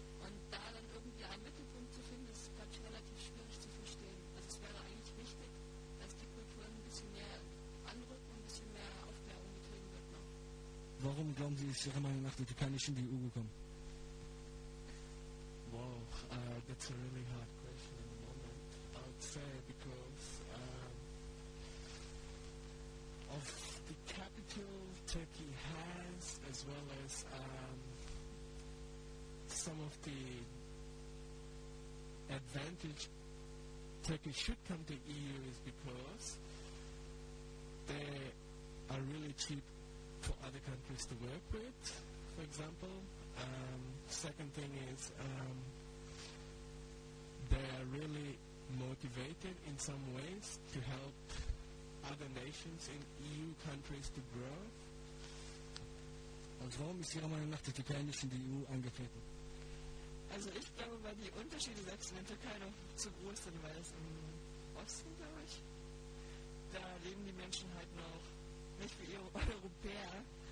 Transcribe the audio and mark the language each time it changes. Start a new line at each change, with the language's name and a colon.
German: Und da dann irgendwie einen Mittelpunkt zu finden, ist, glaube ich, relativ schwierig zu verstehen. Also es wäre eigentlich wichtig, dass die Kultur ein bisschen mehr anrückt und ein bisschen mehr Aufklärung getrieben wird. Noch. Warum, glauben Sie, ist Ihrer Meinung nach die Türkei nicht in die EU gekommen?
English: Wow, that's a really hard question at the moment. I would say because of the capital Turkey has, as well as some of the advantage Turkey should come to EU is because they are really cheap for other countries to work with, for example. Second thing is they are really motivated in some ways to help other nations in EU countries to grow.
German: Und warum ist Ihrer Meinung nach die Türkei nicht in die EU angetreten? Also ich glaube, weil die Unterschiede selbst in der Türkei noch zu groß sind, weil es im Osten, glaube ich, da leben die Menschen halt noch nicht wie Europäer.